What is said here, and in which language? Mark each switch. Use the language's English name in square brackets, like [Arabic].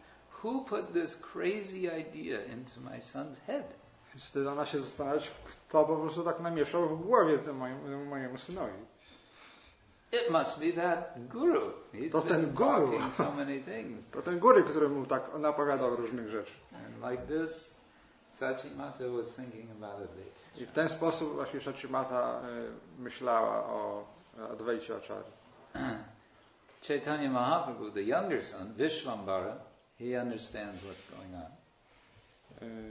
[English] Who put this crazy idea into my son's head? [Polish] I wtedy ona się zastanawiać, kto po prostu tak namieszał w głowie mojemu synowi. [English] It must be that guru. He's [Polish] to ten guru. [English] So many things. [Polish] To ten guru, który mu tak napowiadał różnych rzeczy. [English] And like this, Satchimata was thinking about Advaita. [Polish] I w ten sposób właśnie Satchimata myślała o Advaita Acharya. [English] Chaitanya Mahaprabhu, the younger son, Vishvambara, he understands what's going on.